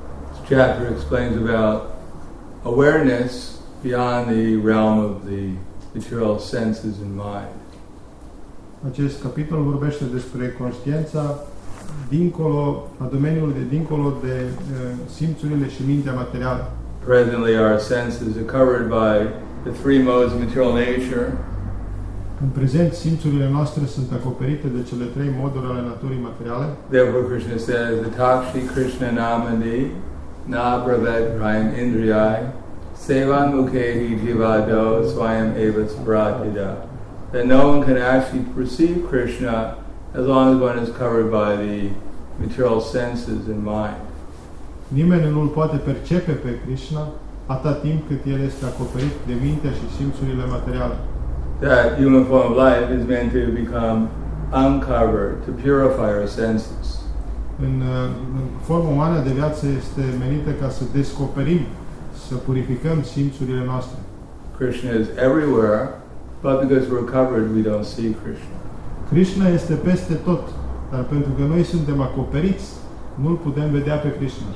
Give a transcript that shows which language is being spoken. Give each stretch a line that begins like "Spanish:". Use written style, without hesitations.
English: This chapter explains about awareness beyond the realm of the material senses and mind.
Romanian: Acest capitol vorbește despre conștiința dincolo, a domeniului de dincolo de simțurile și mintea materială.
English: Presently our senses are covered by the three modes of material nature.
Romanian: În prezent, simțurile noastre sunt acoperite de cele trei moduri ale naturii materiale.
English: Therefore Krishna says,
Sanskrit: Atakshi Krishna Namani Nabravet Rayam Indriyai Sevan Mukhehi Jivado Swayam Evas Bratida.
English: That no one can actually perceive Krishna as long as one is covered by the material senses and mind.
Romanian: Nimeni nu-l poate percepe pe Krishna atât timp cât el este acoperit de mintea și simțurile materiale.
English: That human form of life is meant to become uncovered, to purify our senses.
Romanian: În forma umană de viață este menită ca să descoperim, să purificăm simțurile noastre.
English: Krishna is everywhere, but because we're covered, we don't see Krishna.
Romanian: Krishna este peste tot, dar pentru că noi suntem acoperiți, nu-l putem vedea pe Krishna.